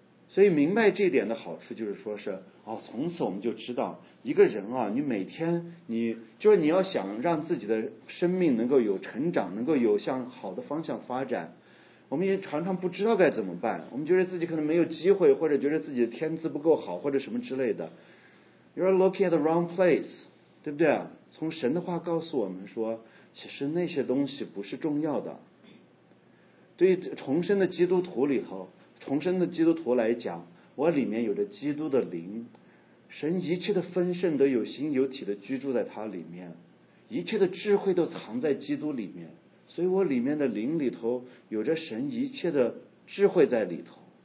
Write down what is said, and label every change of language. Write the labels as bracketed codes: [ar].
[zh] 所以明白这点的好处就是说，是哦，从此我们就知道一个人啊，你每天你就是你要想让自己的生命能够有成长，能够有向好的方向发展，我们也常常不知道该怎么办，我们觉得自己可能没有机会，或者觉得自己的天资不够好，或者什么之类的。 [en] You're looking at the wrong place， [zh] 对不对？从神的话告诉我们说，其实那些东西不是重要的。对于重生的基督徒里头，重生的基督徒来讲，我里面有着基督的灵，神一切的丰盛都有形有体的居住在他里面，一切的智慧都藏在基督里面，所以我里面的灵里头有着神一切的智慧在里头。